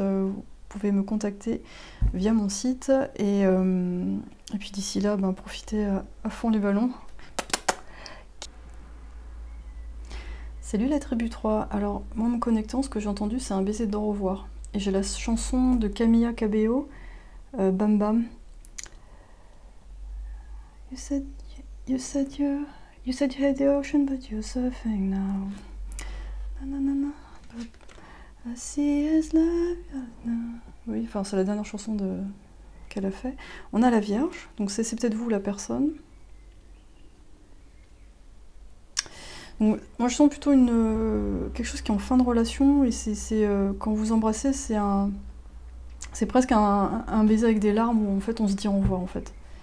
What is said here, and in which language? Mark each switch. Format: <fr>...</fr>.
<fr>Vous pouvez me contacter via mon site, et puis d'ici là, ben, profitez à fond les ballons. Salut la tribu 3. Alors moi, me connectant, ce que j'ai entendu, c'est un baiser d'au revoir. Et j'ai la chanson de Camila Cabello, Bam Bam.</fr> <en>You said you had the ocean, but you're surfing now. Nanana, but I see his love right now.</en> <fr>Oui, enfin, c'est la dernière chanson qu'elle a fait. On a la Vierge, donc c'est peut-être vous la personne. Donc, moi, je sens plutôt quelque chose qui est en fin de relation, et c'est quand vous embrassez, c'est presque un baiser avec des larmes, où en fait on se dit au revoir en fait.</fr>